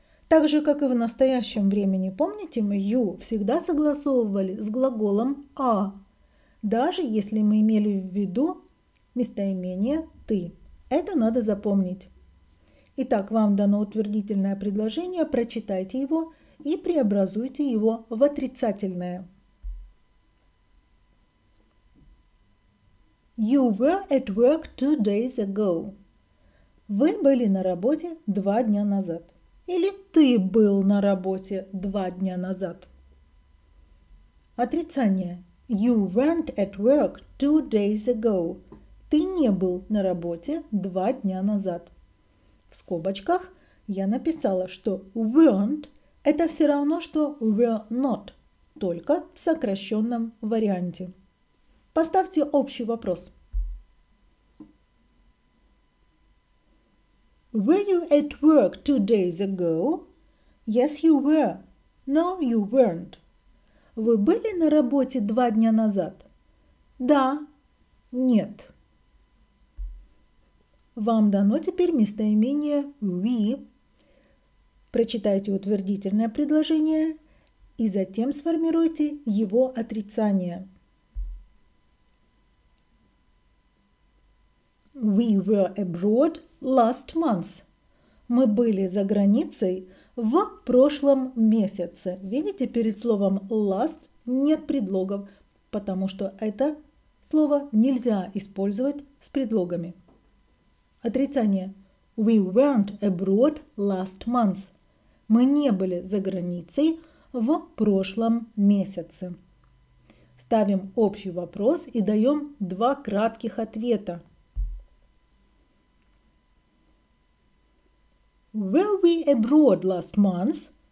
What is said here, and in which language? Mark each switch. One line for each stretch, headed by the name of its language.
Russian: Так же, как и в настоящем времени, помните, мы you всегда согласовывали с глаголом are, даже если мы имели в виду местоимение ты. Это надо запомнить. Итак, вам дано утвердительное предложение, прочитайте его и преобразуйте его в отрицательное.
English: You were at work 2 days ago.
Russian: Вы были на работе 2 дня назад. Или ты был на работе 2 дня назад? Отрицание.
English: You weren't at work 2 days ago.
Russian: Ты не был на работе 2 дня назад. В скобочках я написала, что weren't – это все равно, что were not, только в сокращенном варианте. Поставьте общий вопрос.
English: Were you at work 2 days ago? Yes, you were. No, you weren't.
Russian: Вы были на работе 2 дня назад? Да. Нет. Вам дано теперь местоимение we. Прочитайте утвердительное предложение и затем сформируйте его отрицание.
English: We were abroad last month.
Russian: Мы были за границей в прошлом месяце. Видите, перед словом last нет предлогов, потому что это слово нельзя использовать с предлогами. Отрицание.
English: We weren't abroad last month.
Russian: Мы не были за границей в прошлом месяце. Ставим общий вопрос и даем два кратких ответа.
English: Were we abroad last month?